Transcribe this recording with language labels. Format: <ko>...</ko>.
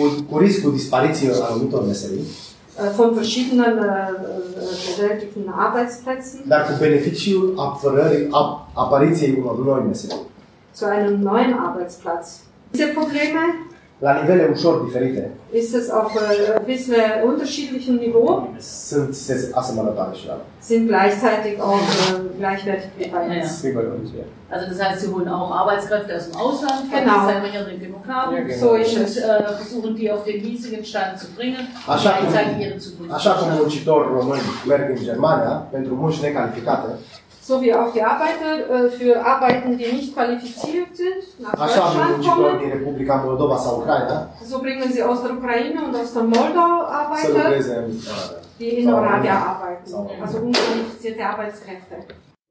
<ro>Cu riscul dispariției anumitor meserii.</ro> <de>Von verschiedenen beschäftigten Arbeitsplätzen.</de> <ro>Dar cu beneficiul apărării, apariției unor noi meserii.</ro> <de>Zu einem neuen Arbeitsplatz. Diese Probleme.</de> <ro>La nivele ușor diferite.</ro> <de>Ist es auf ein bisschen unterschiedlichem Niveau.</de> <ro>Sunt asemănătoare și la.</ro> <de>Sind gleichzeitig auch gleichwertig wie bei uns.</de> <ro>Sigur,</ro> <de>ja. Uns, also das heißt, sie holen auch Arbeitskräfte aus dem Ausland, genau. Die selber hier drin genug haben. Ja, genau. So ist es. Versuchen die auf den hiesigen Stand zu bringen.</de> <ro>Așa</ro> <de>und gleichzeitig ihre Zukunft.</de> <ro>Așa cum muncitori români merg în Germania pentru munci necalificate.</ro> <de>So wie auch die Arbeiter für Arbeiten, die nicht qualifiziert sind, nach Deutschland kommen.</de> <ro>Din Republica Moldova sau Ucraina.</ro> <de>So bringen sie aus der Ukraine und aus der Moldau Arbeiter, die in Oradea arbeiten, also unqualifizierte Arbeitskräfte.</de>